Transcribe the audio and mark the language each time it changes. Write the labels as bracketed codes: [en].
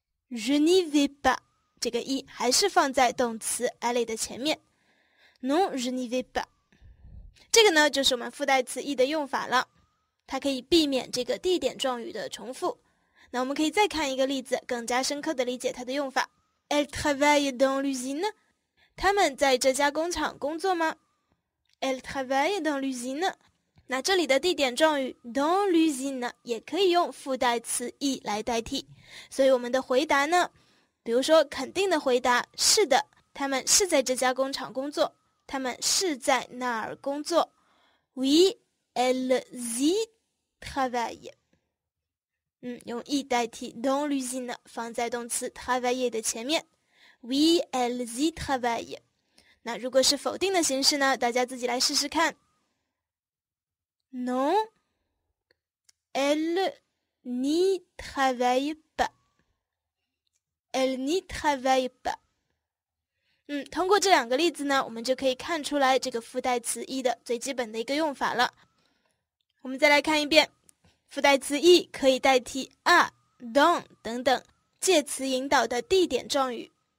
[fr] Je n'y vais pas. [zh] 这个 E 还是放在动词 aller 的前面。 [fr] Non, je n'y vais pas. [zh] 这个呢，就是我们副代词 E 的用法了。它可以避免这个地点状语的重复。那我们可以再看一个例子，更加深刻的理解它的用法。 [fr] Elle travaille dans l'usine? [zh] 他们在这家工厂工作吗？ [fr] Elle travaille dans l'usine? [zh] 那这里的地点状语 [fr] dans l'usine [zh] 也可以用副代词 E 来代替。所以我们的回答呢，比如说肯定的回答，是的，他们是在这家工厂工作，他们是在那儿工作。 [fr] Oui, elles y travaillent. [zh] 用 E 代替 [fr] dans l'usine [zh] 放在动词 travailler 的前面。 [fr] Oui, elles y travaillent. [zh] 那如果是否定的形式呢，大家自己来试试看。 [fr] Non, elles n'y travaillent pas. Elle n'y travaille pas. [zh] 通过这两个例子呢，我们就可以看出来这个副代词 E 的最基本的一个用法了。我们再来看一遍，副代词 E 可以代替 are, don 等等介词引导的地点状语，